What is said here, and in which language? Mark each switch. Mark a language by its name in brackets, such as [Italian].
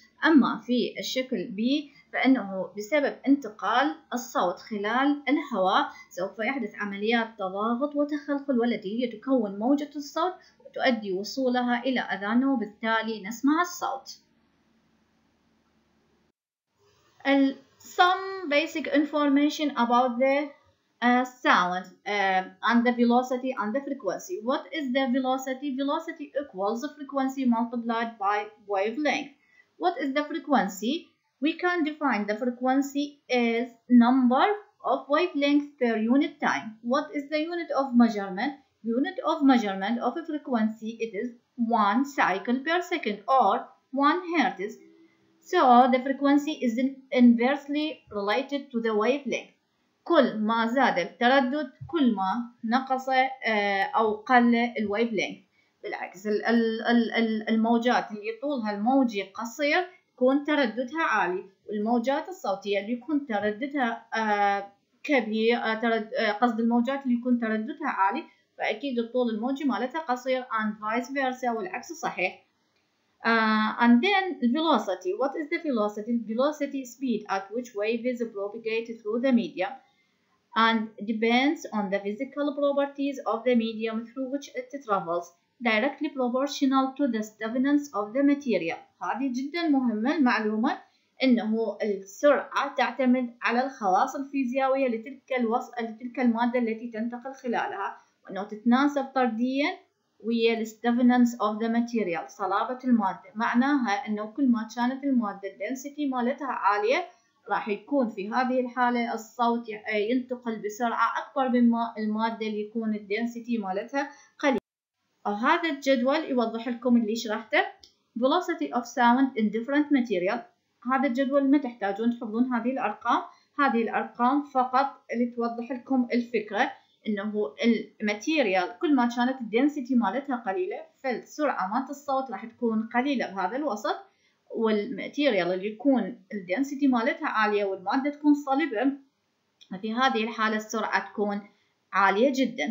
[Arabic] اما في الشكل B فانه بسبب انتقال الصوت خلال الهواء سوف يحدث عمليات تضاغط وتخلخل والتي هي تكون موجة الصوت وتؤدي وصولها الى اذاننا وبالتالي نسمع الصوت. [English] Some basic information about the sound and the velocity and the frequency. What is the velocity? Velocity equals the frequency multiplied by wavelength. What is the frequency? We can define the frequency as number of wavelengths per unit time. What is the unit of measurement? Unit of measurement of a frequency, it is 1 cycle per second or 1 hertz. So the frequency is inversely related to the wavelength. [Arabic] كل ما زاد التردد كل ما نقص أو قل الويف لينث. بالعكس الموجات اللي طولها الموجة قصير يكون ترددها عالي، والموجات الصوتية اللي يكون ترددها كبير قصد الموجات اللي يكون ترددها عالي فأكيد طول الموجة مالتها قصير [English] and vice versa [Arabic] والعكس صحيح. [English] And then velocity. What is the velocity? Velocity is speed at which waves propagate through the medium and depends on the physical properties of the medium through which it travels, directly proportional to the stiffness of the material. [Arabic] هذه جدا مهمة المعلومة انه السرعة تعتمد على الخواص الفيزيائية لتلك المادة التي تنتقل خلالها وانه تتناسب طرديا ويا [English] الستيفننس of the material [Arabic] صلابة المادة. معناها انه كل ما كانت المادة الدنسيتي مالتها عالية راح يكون في هذه الحالة الصوت ينتقل بسرعة اكبر مما المادة اللي يكون الدنسيتي مالتها قليل. هذا الجدول يوضح لكم اللي شرحته [English] velocity of sound in different material. [Arabic] هذا الجدول ما تحتاجون تحفظون هذه الأرقام، هذه الأرقام فقط اللي توضح لكم الفكرة إنه الماتيريال كل ما كانت الدنسيتي مالتها قليلة فالسرعة مالت الصوت راح تكون قليلة بهذا الوسط، والماتيريال اللي يكون الدنسيتي مالتها عالية والمادة تكون صلبة في هذه الحالة السرعة تكون عالية جدا.